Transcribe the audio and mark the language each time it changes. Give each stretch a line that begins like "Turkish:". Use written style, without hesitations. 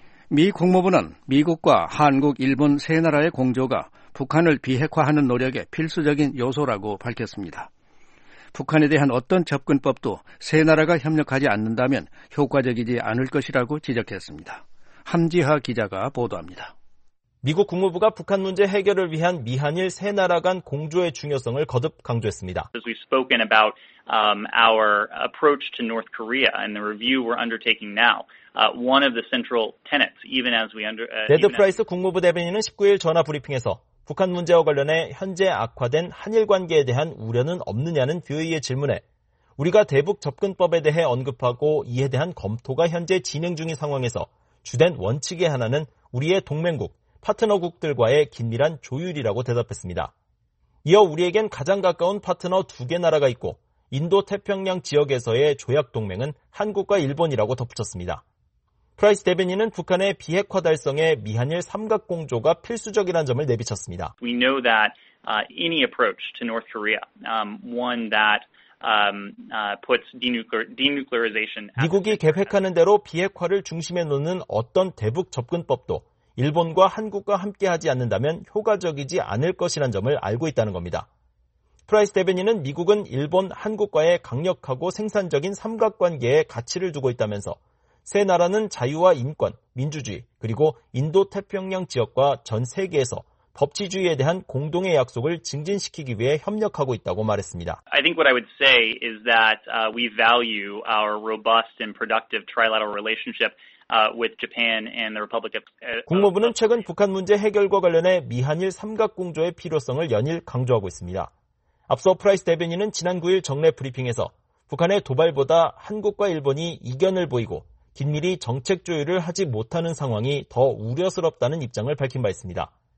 Korean: 미 국무부는 미국과 한국, 일본 세 나라의 공조가 북한을 비핵화하는 노력의 필수적인 요소라고 밝혔습니다. 북한에 대한 어떤 접근법도 세 나라가 협력하지 않는다면 효과적이지 않을 것이라고 지적했습니다. 함지하 기자가 보도합니다. 미국 국무부가 북한 문제 해결을 위한 미한일 세 나라 간 공조의 중요성을 거듭 강조했습니다.
English: As we've spoken about our approach to North Korea and the review we're undertaking now. One of the central tenets even as we under
Korean: 데드 프라이스 국무부 대변인은 19일 전화 브리핑에서 북한 문제와 관련해 현재 악화된 한일 관계에 대한 우려는 없느냐는 VOA의 질문에 우리가 대북 접근법에 대해 언급하고 이에 대한 검토가 현재 진행 중인 상황에서 주된 원칙의 하나는 우리의 동맹국 파트너국들과의 긴밀한 조율이라고 대답했습니다. 이어 우리에겐 가장 가까운 파트너 두 개 나라가 있고 인도태평양 지역에서의 조약 동맹은 한국과 일본이라고 덧붙였습니다. 프라이스 대변인은 북한의 비핵화 달성에 미한일 삼각공조가 필수적이라는 점을 내비쳤습니다.
English: We know that any approach to North Korea, one that puts denuclearization
Korean: 미국이 계획하는 대로 비핵화를 중심에 놓는 어떤 대북 접근법도 일본과 한국과 함께하지 않는다면 효과적이지 않을 것이란 점을 알고 있다는 겁니다. 프라이스 대변인은 미국은 일본, 한국과의 강력하고 생산적인 삼각관계에 가치를 두고 있다면서 세 나라는 자유와 인권, 민주주의, 그리고 인도태평양 지역과 전 세계에서 법치주의에 대한 공동의 약속을 증진시키기 위해 협력하고 있다고 말했습니다.
English: I think what I would say is that we value our robust and productive trilateral relationship with Japan and the Republic of
Korean: 국무부는 최근 북한 문제 해결과 관련해 미한일 삼각공조의 필요성을 연일 강조하고 있습니다. 앞서 프라이스 대변인은 지난 9일 정례 브리핑에서 북한의 도발보다 한국과 일본이 이견을 보이고 긴밀히 정책 조율을 하지 못하는 상황이 더 우려스럽다는 입장을 밝힌 바 있습니다.